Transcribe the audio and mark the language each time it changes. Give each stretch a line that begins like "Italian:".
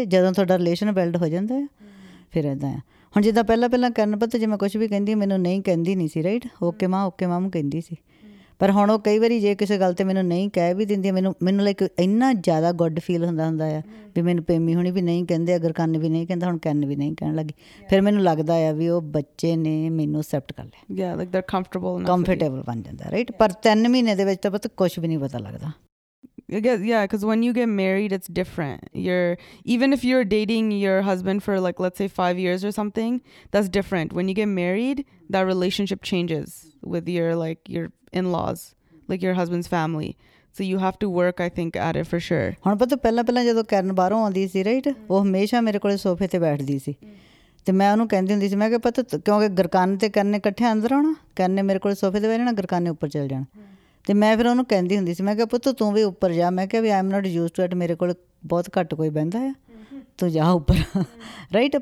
Punjabi: ਜਦੋਂ ਤੁਹਾਡਾ relation build ਹੋ ਜਾਂਦਾ ਆ ਫਿਰ ਇੱਦਾਂ ਆ। ਹੁਣ ਜਿੱਦਾਂ ਪਹਿਲਾਂ ਪਹਿਲਾਂ ਕਰਨ ਪੱਤ ਜੇ ਮੈਂ ਕੁਛ ਵੀ ਕਹਿੰਦੀ ਮੈਨੂੰ ਨਹੀਂ ਕਹਿੰਦੀ ਨਹੀਂ ਸੀ ਰਾਈਟ,
English: okay mom
Punjabi: ਕਹਿੰਦੀ ਸੀ, ਪਰ ਹੁਣ ਉਹ ਕਈ ਵਾਰੀ ਜੇ ਕਿਸੇ ਗੱਲ 'ਤੇ ਮੈਨੂੰ ਨਹੀਂ ਕਹਿ ਵੀ ਦਿੰਦੀ, ਮੈਨੂੰ ਲਾਈਕ ਇੰਨਾ ਜ਼ਿਆਦਾ ਗੁੱਡ ਫੀਲ ਹੁੰਦਾ ਆ ਵੀ ਮੈਨੂੰ ਪੇਮੀ ਹੋਣੀ ਵੀ ਨਹੀਂ ਕਹਿੰਦੇ, ਅਗਰ ਕੰਨ ਵੀ ਨਹੀਂ ਕਹਿੰਦਾ ਹੁਣ ਕੰਨ ਵੀ ਨਹੀਂ ਕਹਿਣ ਲੱਗੀ, ਫਿਰ ਮੈਨੂੰ ਲੱਗਦਾ ਆ ਵੀ ਉਹ ਬੱਚੇ ਨੇ ਮੈਨੂੰ ਅਸੈਪਟ ਕਰ ਲਿਆ,
English: like they comfortable
Punjabi: ਕੰਫਰਟੇਬਲ ਬਣ ਜਾਂਦਾ ਰਾਈਟ। ਪਰ 3 ਮਹੀਨੇ ਦੇ ਵਿੱਚ ਤਾਂ ਪਤਾ ਕੁਛ ਵੀ ਨਹੀਂ ਪਤਾ ਲੱਗਦਾ।
English: Yeah, because when you get married, it's different. Even if you're dating your husband for like, let's say 5 years or something, that's different. When you get married, that relationship changes with your in-laws, like your husband's family. So you have to work, I think, at it for sure.
Punjabi: ਹੁਣ ਪਤਾ ਪਹਿਲਾਂ ਜਦੋਂ ਕਰਨ ਬਾਹਰੋਂ ਆਉਂਦੀ ਸੀ right, ਉਹ ਹਮੇਸ਼ਾ ਮੇਰੇ ਕੋਲ ਸੋਫੇ 'ਤੇ ਬੈਠਦੀ ਸੀ ਅਤੇ ਮੈਂ ਉਹਨੂੰ ਕਹਿੰਦੀ ਹੁੰਦੀ ਸੀ, ਮੈਂ ਕਿਹਾ ਪਤਾ ਕਿਉਂਕਿ ਗਰਕਾਨ ਅਤੇ ਕਰਨ ਨੇ ਇਕੱਠੇ ਅੰਦਰ ਆਉਣਾ, ਕਰਨ ਨੇ ਮੇਰੇ ਕੋਲ ਸੋਫੇ 'ਤੇ ਬਹਿ ਜਾਣਾ, ਗਰਕਾਨ ਨੇ ਉੱਪਰ ਚਲ ਜਾਣਾ, ਅਤੇ ਮੈਂ ਫਿਰ ਉਹਨੂੰ ਕਹਿੰਦੀ ਹੁੰਦੀ ਸੀ, ਮੈਂ ਕਿਹਾ ਪੁੱਤ ਤੂੰ ਵੀ ਉੱਪਰ ਜਾ, ਮੈਂ ਕਿਹਾ ਵੀ
English: I am not use to it,
Punjabi: ਮੇਰੇ ਕੋਲ ਬਹੁਤ ਘੱਟ ਕੋਈ ਬਹਿੰਦਾ ਆ, ਤੂੰ ਜਾ ਉੱਪਰ ਰਾਈਟ।